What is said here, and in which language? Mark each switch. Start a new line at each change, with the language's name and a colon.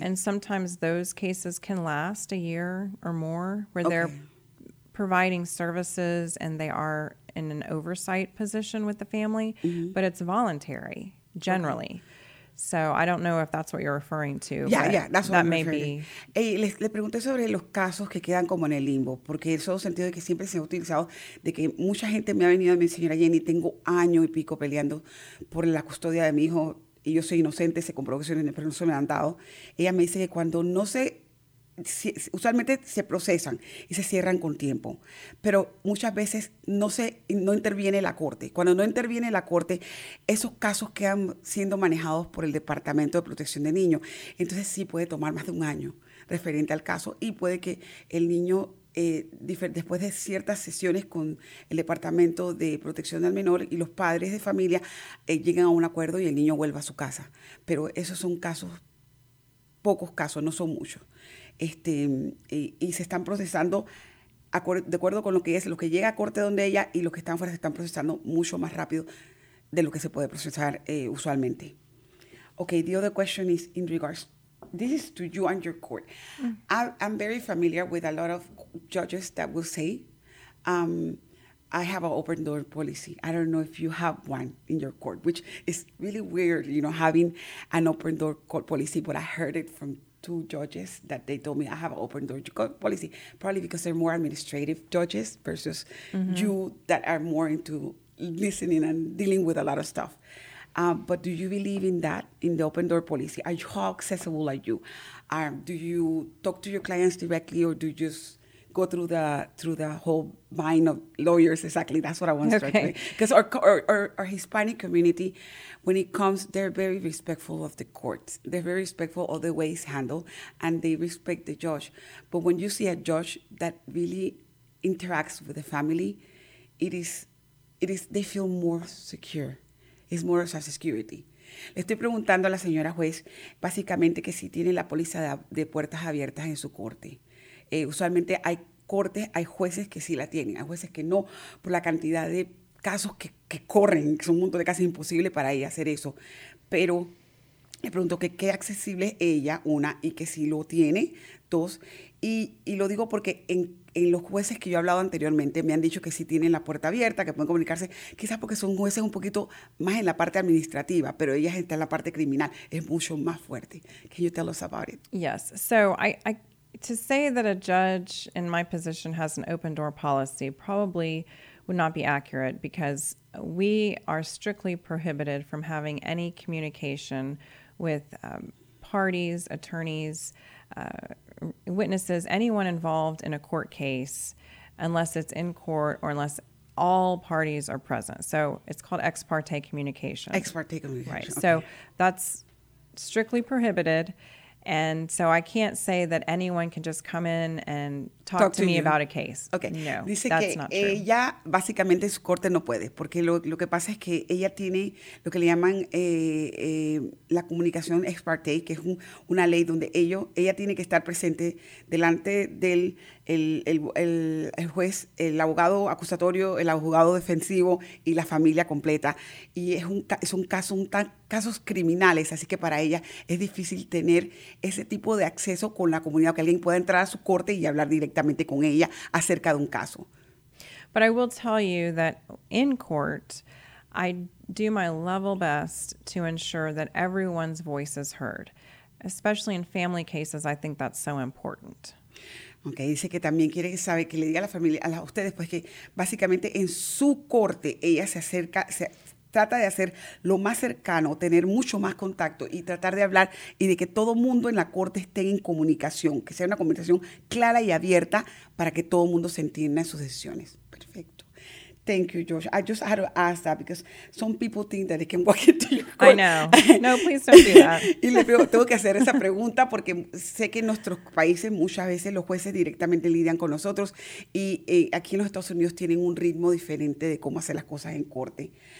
English: And sometimes those cases can last a year or more where they're providing services and they are in an oversight position with the family, mm-hmm. but it's voluntary generally. Okay. So I don't know if that's what you're referring to. That's what I'm referring to.
Spanish: Le pregunté sobre los casos que quedan como en el limbo, porque eso es el sentido de que siempre se ha utilizado, de que mucha gente me ha venido a mi señora Jenny, tengo año y pico peleando por la custodia de mi hijo, y yo soy inocente, se comprobó que soy inocente, pero no se me han dado. Ella me dice que cuando no se, usualmente se procesan y se cierran con tiempo, pero muchas veces no interviene la corte. Cuando no interviene la corte, esos casos quedan siendo manejados por el Departamento de Protección de Niños. Entonces sí puede tomar más de un año referente al caso y puede que el niño, después de ciertas sesiones con el Departamento de Protección al Menor y los padres de familia, llegan a un acuerdo y el niño vuelve a su casa. Pero esos son casos, pocos casos, no son muchos. Y se están procesando, de acuerdo con lo que es, lo que llega a corte donde ella y los que están fuera se están procesando mucho más rápido de lo que se puede procesar usualmente.
English: Okay, the other question is in regards to, this is to you and your court. Mm. I'm very familiar with a lot of judges that will say, I have an open door policy. I don't know if you have one in your court, which is really weird, having an open door court policy. But I heard it from 2 judges that they told me I have an open door court policy, probably because they're more administrative judges versus mm-hmm. you that are more into listening and dealing with a lot of stuff. But do you believe in that, in the open door policy? How accessible are you? Do you talk to your clients directly or do you just go through the whole vine of lawyers. Exactly, that's what I want to start with. Because our Hispanic community, when it comes, they're very respectful of the courts. They're very respectful of the way it's handled, and they respect the judge. But when you see a judge that really interacts with the family, it is they feel more secure. It's more of a security.
Spanish: Le estoy preguntando a la señora juez, básicamente, que si tiene la póliza de puertas abiertas en su corte. Usualmente hay cortes, hay jueces que sí la tienen, hay jueces que no, por la cantidad de casos que corren, que son un montón de casos, imposible para ella hacer eso. Pero le pregunto que qué accesible es ella, una, y que si lo tiene, dos. Y lo digo porque en los jueces que yo he hablado anteriormente me han dicho que sí tienen la puerta abierta, que pueden comunicarse, quizás porque son jueces un poquito más en la parte administrativa, pero ella está en la parte criminal, es mucho más fuerte.
English: Can you tell us about it? Yes. So I to say that a judge in my position has an open door policy probably would not be accurate, because we are strictly prohibited from having any communication with parties, attorneys, witnesses, anyone involved in a court case, unless it's in court or unless all parties are present. So it's called ex parte communication. Ex parte communication. Right. Okay. So that's strictly prohibited. And so I can't say that anyone can just come in and talk to me you. About a case. Okay. No,
Spanish: dice
English: that's not true.
Spanish: Ella, básicamente, su corte no puede, porque lo que pasa es que ella tiene lo que le llaman la comunicación ex parte, que es una ley donde ella tiene que estar presente delante del el juez, el abogado acusatorio, el abogado defensivo y la familia completa. Y son casos criminales, así que para ella es difícil tener ese tipo de acceso con la comunidad, que alguien pueda entrar a su corte y hablar directamente con ella acerca de un caso.
English: But I will tell you that in court, I do my level best to ensure that everyone's voice is heard. Especially in family cases, I think that's so important.
Spanish: Okay, dice que también quiere saber que le diga a la familia, a ustedes, pues que básicamente en su corte ella se acerca, se trata de hacer lo más cercano, tener mucho más contacto y tratar de hablar y de que todo mundo en la corte esté en comunicación, que sea una comunicación clara y abierta para que todo mundo se entienda en sus decisiones.
English: Perfecto. Thank you, Josh. I just had to ask that because some people think that they can walk into your court. I know. No, please don't do that.
Spanish: Y le digo, tengo que hacer esa pregunta porque sé que en nuestros países muchas veces los jueces directamente lidian con nosotros y aquí en los Estados Unidos tienen un ritmo diferente de cómo hacer las cosas en corte.